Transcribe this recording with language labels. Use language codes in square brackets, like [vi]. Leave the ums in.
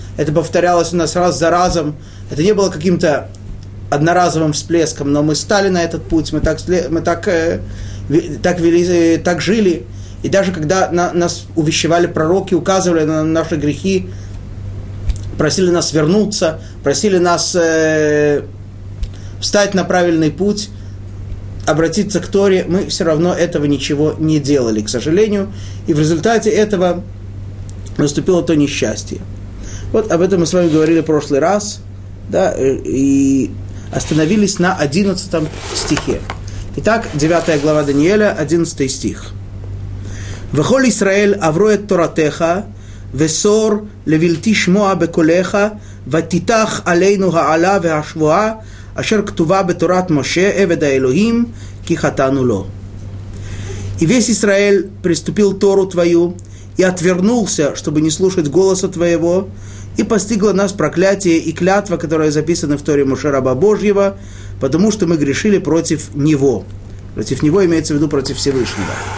[ru] Это повторялось у нас раз за разом. Это не было каким-то одноразовым всплеском, но мы стали на этот путь, мы так, мы так, так, вели, так жили, и даже когда на, нас увещевали пророки, указывали на наши грехи, просили нас вернуться, просили нас э, встать на правильный путь, обратиться к Торе, мы все равно этого ничего не делали, к сожалению. И в результате этого наступило то несчастье. Вот об этом мы с вами говорили в прошлый раз, да, и остановились на 11 стихе. Итак, 9 глава Даниэля, 11 стих. [he] וכל ישראל עברו את תורתך, וסור לבלתי שמוע בקולך, ותיתך עלינו העלה והשבועה, אשר כתובה בתורת משה עבד האלוהים, כי חטאנו לו. [ru] И весь Израиль приступил Тору Твою, и отвернулся, чтобы не слушать голоса Твоего, и постигло нас проклятие и клятва, которая записана в Торе Мушараба Божьего, потому что мы грешили против Него. Против Него имеется в виду против Всевышнего.